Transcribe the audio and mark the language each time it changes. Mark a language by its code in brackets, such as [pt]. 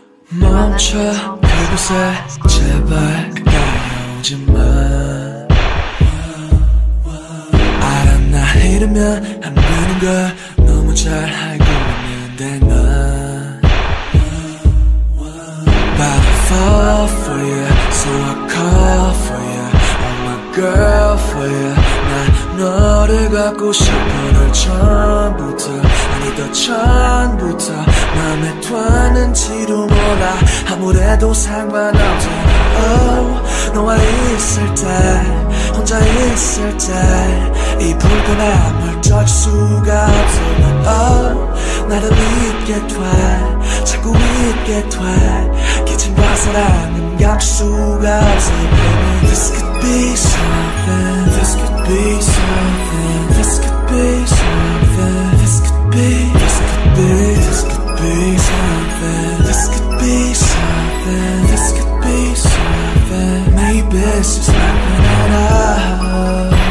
[ko] 멈춰 그곳에 제발 가오지 마. 알아 나 이러면 안 되는 걸 너무 잘 알고 있는데 난 [en] But I fall for you, so I call for you, I'm a girl for you. [ko] 난 너를 갖고 싶어 널 처음부터 아니 더 처음부터 맘에 드는지도 몰라 아무래도 상관없잖아. Oh, 너와 있을 때 혼자 있을 때 이 불꽃에 멀쩡할 수가 없어. Oh, 나를 믿게 돼 자꾸 믿게 돼 기침과 사랑은 감출 수가 없어. [en] Baby, this could be something. This could be something. This could be something. This could be. This could be. This could be something. This could be something. This could be something. Maybe it's just nothing at all.